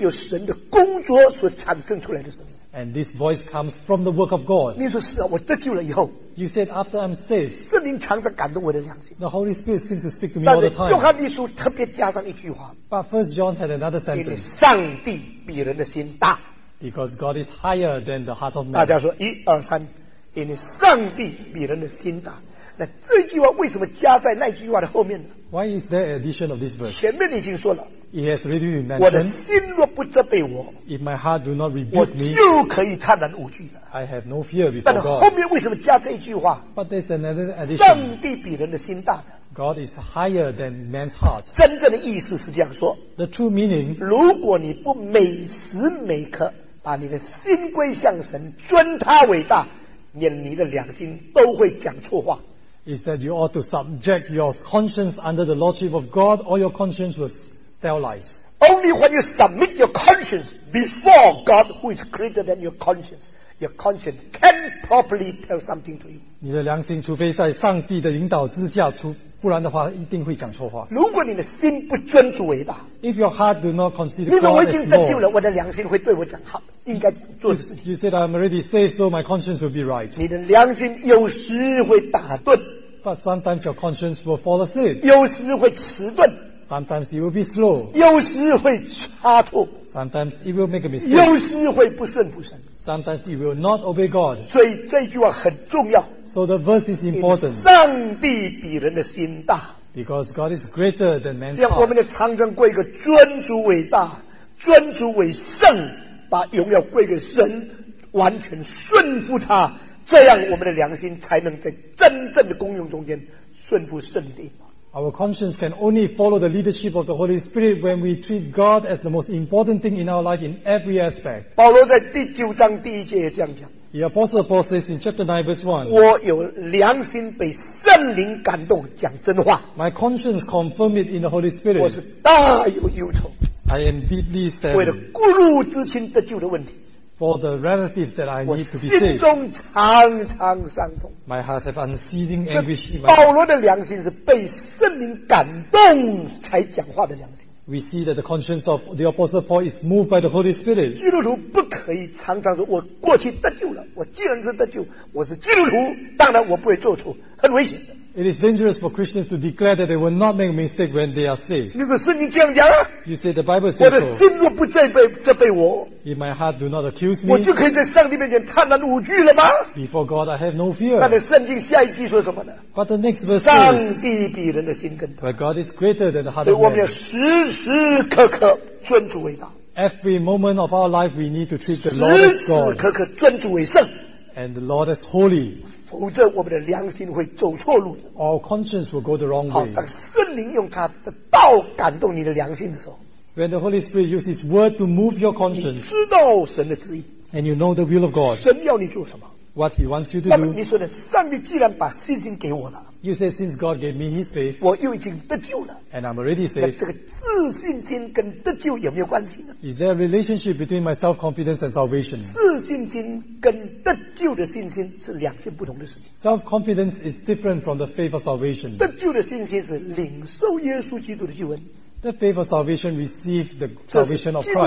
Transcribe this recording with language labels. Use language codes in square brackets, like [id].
[zh] 有神的工作所产生出来的声音。 [en] And this voice comes from the work of God. [zh] 你说是啊，我得救了以后。 [en] You said after I'm saved. [zh] 圣灵常常感动我的良心。 [en] The Holy Spirit seems to speak to me all the time. [zh] 但是约翰一书特别加上一句话。 [en] But First John had another sentence. [zh] 因为上帝比人的心大。 [en] Because God is higher than the heart of man. [zh] 大家说一二三，因为上帝比人的心大。那这句话为什么加在那句话的后面呢？ [en] Why is there an addition of this verse? [zh] 前面已经说了。 [en] It has already been mentioned. [zh] 我的心若不责备我， [en] if my heart do not rebuke me, [zh] 我就可以坦然无惧了。 [en] I have no fear before God. [zh] 但后面为什么加这一句话？ [en] But there's another addition. [zh] 上帝比人的心大的。 [en] God is higher than man's heart. [zh] 真正的意思是这样说。 [en] The true meaning. [zh] 如果你不每时每刻把你的心归向神，尊他伟大，你的良心都会讲错话。 [en] Is that you ought to subject your conscience under the lordship of God, or your conscience will tell lies? Only when you submit your conscience before God, who is greater than your conscience can properly tell something to you. [zh] 你的良心，除非在上帝的引导之下，不然的话，一定会讲错话。如果你的心不尊主伟大 [en] ，If your heart do not consider God as Lord， [zh] 你说我已经得救了，我的良心会对我讲好，应该做的事情。 [en] You said I'm already saved, so my conscience will be right. [zh] 你的良心有时会打盹 [en] ，But sometimes your conscience will fall asleep. [zh] 有时会迟钝 [en] ，Sometimes it will be slow. [zh] 有时会差错 [en] ，Sometimes it will make a mistake. [zh] 有时会不顺服神 [en] ，Sometimes it will not obey God. [zh] 所以这句话很重要。 [en] So the verse is important. [zh] 上帝比人的心大。 [en] Because God is greater than man's heart. [zh] 这样我们就常常过一个尊主伟大，尊主伟圣，把荣耀归给神，完全顺服他，这样我们的良心才能在真正的功用中间顺服圣灵。 [en] Our conscience can only follow the leadership of the Holy Spirit when we treat God as the most important thing in our life in every aspect. [zh] 保罗在第九章第一节也这样讲。 [en] The apostle Paul says in chapter 9 verse 1, [zh] 我有良心被圣灵感动讲真话。 [en] My conscience confirmed it in the Holy Spirit. [zh] 我是大有忧愁。 [en] I am deeply sad. [zh] 为了骨肉之亲得救的问题。 [en] For the relatives that I need to be saved. [zh] 我心中常常伤痛。 [en] My heart have unceasing anguish. [zh] 保罗的良心是被圣灵感动才讲话的良心。 [en] We see that the conscience of the Apostle Paul is moved by the Holy Spirit. [zh] 基督徒不可以常常说我过去得救了，我既然是得救，我是基督徒，当然我不会做错，很危险的。 [en] It is dangerous for Christians to declare that they will not make a mistake when they are saved. [zh] 你说圣经这样讲啊? [en] You say the Bible says so. [zh] 我的心若不责备我, [en] if my heart do not accuse me, [zh] 我就可以在上帝面前坦然无惧了吗? [en] Before God, I have no fear. [zh] 但是圣经下一句说什么呢? [en] But the next verse says, [zh] 上帝比人的心更大。 [en] But God is greater than the heart of man. [zh] 所以我们要时时刻刻尊主为大。 [en] Every moment of our life, we need to treat the Lord as God. [zh] 时时刻刻尊主为圣。 [en] And the Lord is holy. [zh] 否则我们的良心会走错路的。 [en] Our conscience will go the wrong way. [zh] 好，当圣灵用他的道感动你的良心的时候。 [en] When the Holy Spirit uses His word to move your conscience. [zh] 你知道神的旨意。 [en] And you know the will of God. [zh] 神要你做什么。 [en] What He wants you to do. [zh] 那么你说的，上帝既然把信心给我了。 [en] You say since God gave me His faith. [zh] 我又已经得救了。 [en] And I'm already saved. [zh] 那这个自信心跟得救有没有关系呢？ [en] Is there a relationship between my self-confidence and salvation? [zh] 自信心跟得救的信心是两件不同的事情。 [en] Self-confidence is different from the faith of salvation. [zh] 得救的信心是领受耶稣基督的救恩。 [en] The faith of salvation received the salvation of Christ.